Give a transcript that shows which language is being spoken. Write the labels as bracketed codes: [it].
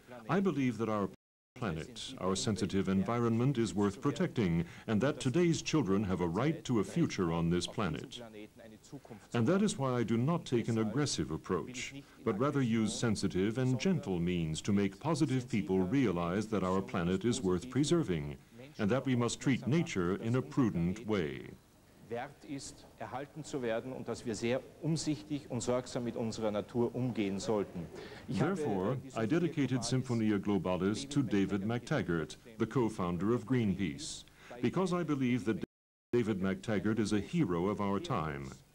[en] I believe that our planet, our sensitive environment, is worth protecting, and that today's children have a right to a future on this planet. And that is why I do not take an aggressive approach, but rather use sensitive and gentle means to make positive people realize that our planet is worth preserving, and that we must treat nature in a prudent way. [de] Wert ist, erhalten zu werden und dass wir sehr umsichtig und sorgsam mit unserer Natur umgehen sollten. [en] Therefore, I dedicated Symphonia Globalis to David McTaggart, the co-founder of Greenpeace, because I believe that David McTaggart is a hero of our time.